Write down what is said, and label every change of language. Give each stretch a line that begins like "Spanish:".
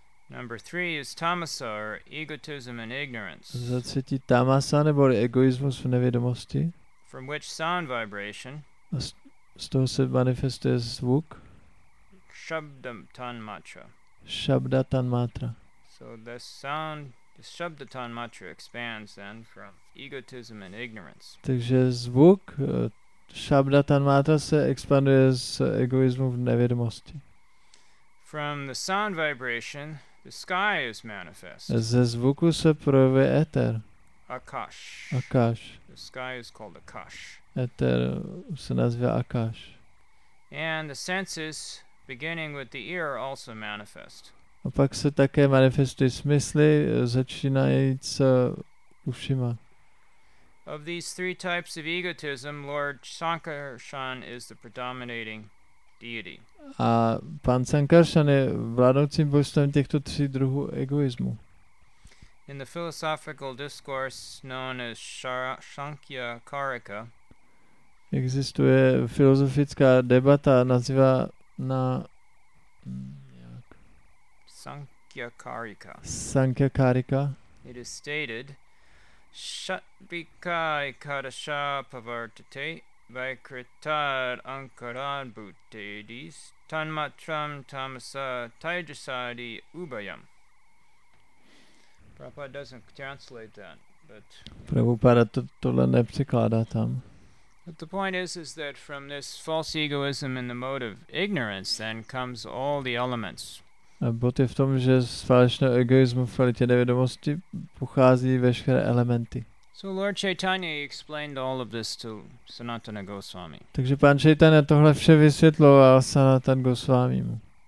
English: Number three is tamasa, or egotism and ignorance.
Czech: Za třetí tamasa, neboli egoismus v nevědomosti.
English: From which sound vibration.
Czech: A z toho se manifestuje zvuk.
Sanskrit: Shabda tanmatra. Shabda tanmatra.
English: So the sound, the shabda tanmatra expands then from egotism and ignorance.
Czech: Takže zvuk, shabda tanmatra se expanduje z egoismu v nevědomosti.
English: From the sound vibration, the sky is manifest.
Czech: Ze zvuku se projevuje éter.
Sanskrit: Akash. Akash.
English: The sky is called Akash.
Czech: Éter se nazývá Akash.
English: And the senses, beginning with the ear, also manifest.
Czech: A pak se také manifestují smysly, začínajíc ušima.
English: Of these three types of egotism, Lord Sankarshan is the predominating deity.
Czech: A pan Sankarshan je vládnoucím božstvem těchto tří druhů egoismu.
English: In the philosophical discourse known as Shankhya Karika,
Czech: existuje filozofická debata nazývaná Shankhya Karika. Shankhya Karika.
Sanskrit: It is stated, Shatvika ikadasha pavartate vaikritad ankarad bhutedis tanmatram tamasa taijasadi ubayam.
English: Prabhupada doesn't translate that, but
Czech: Prabhupada tohle nepřikládá tam.
English: But the point is that from this false egoism and the mode of ignorance then comes all the elements.
Czech: A bod je v tom, že z falešného egoismu v kvalitě nevědomosti pochází veškeré elementy.
English: So Lord Chaitanya explained all of this to Sanatana Goswami.
Czech: Takže pan Chaitanya tohle vše vysvětloval Sanatan Goswami mu.